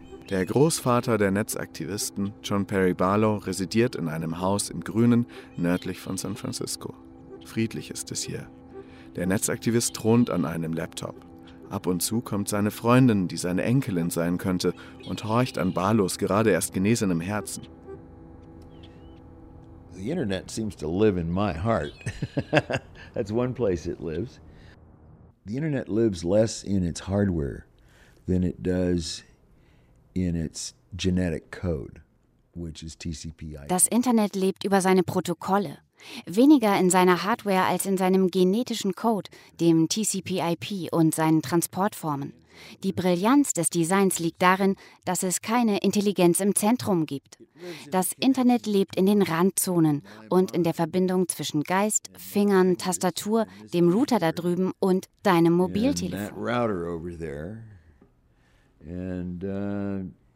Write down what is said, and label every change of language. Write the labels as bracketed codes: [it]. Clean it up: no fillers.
[de] Der Großvater der Netzaktivisten, John Perry Barlow, residiert in einem Haus im Grünen, nördlich von San Francisco. Friedlich ist es hier. Der Netzaktivist thront an einem Laptop. Ab und zu kommt seine Freundin, die seine Enkelin sein könnte, und horcht an Barlows gerade erst genesenem Herzen. [en] The Internet seems to live in my heart. That's one place it lives. The Internet lives less in its hardware than it does in its genetic code, which is TCP/IP. [de] Das Internet lebt über seine Protokolle. Weniger in seiner Hardware als in seinem genetischen Code, dem TCP/IP und seinen Transportformen. Die Brillanz des Designs liegt darin, dass es keine Intelligenz im Zentrum gibt. Das Internet lebt in den Randzonen und in der Verbindung zwischen Geist, Fingern, Tastatur, dem Router da drüben und deinem Mobiltelefon.